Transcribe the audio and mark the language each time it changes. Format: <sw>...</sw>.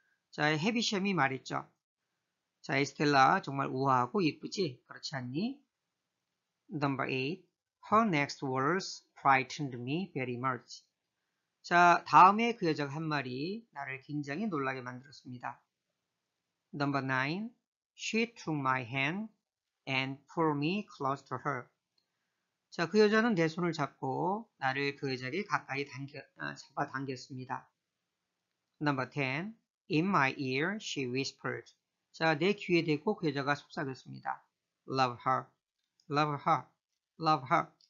<ko>자, 헤비샘이 말했죠. 자, 에스텔라 정말 우아하고 예쁘지? 그렇지 않니?</ko> <en>Number 8. Her next words frightened me very much.</en> <ko>자, 다음에 그 여자가 한 말이 나를 굉장히 놀라게 만들었습니다.</ko> <en>Number 9. She took my hand and pulled me close to her.</en> <ko>자, 그 여자는 내 손을 잡고 나를 그 여자에게 가까이 잡아당겼습니다.</ko> <en>Number 10. In my ear, she whispered.</en> <ko>자, 내 귀에 대고 그 여자가 속삭였습니다.</ko> <en>Love her. Love her. Love her.</en>